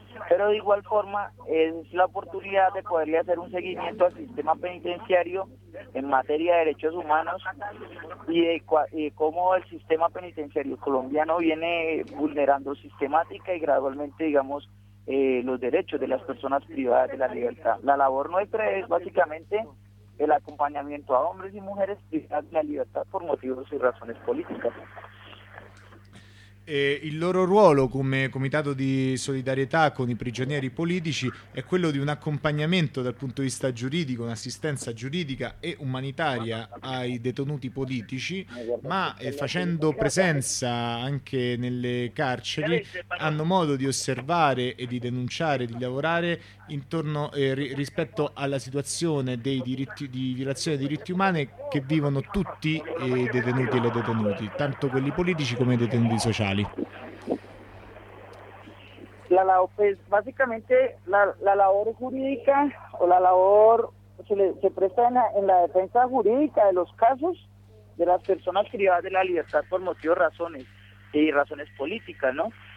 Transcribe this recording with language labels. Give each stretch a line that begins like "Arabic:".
Spanish: Pero de igual forma es la oportunidad de poderle hacer un seguimiento al sistema penitenciario en materia de derechos humanos y cómo el sistema penitenciario colombiano viene vulnerando sistemática y gradualmente, digamos, los derechos de las personas privadas de la libertad. La labor nuestra es básicamente el acompañamiento a hombres y mujeres privadas de la libertad por motivos y razones políticas.
Italian: Il loro ruolo come comitato di solidarietà con i prigionieri politici è quello di un accompagnamento dal punto di vista giuridico, un'assistenza giuridica e umanitaria ai detenuti politici, ma facendo presenza anche nelle carceri hanno modo di osservare e di denunciare, di lavorare intorno rispetto alla situazione dei diritti, di violazione dei diritti umani che vivono tutti i detenuti e le detenuti, tanto quelli politici come i detenuti sociali.
Spanish: La pues, básicamente la labor jurídica o la labor se presta en la defensa jurídica de los casos de las personas privadas de la libertad por motivos, razones y razones políticas, ¿no?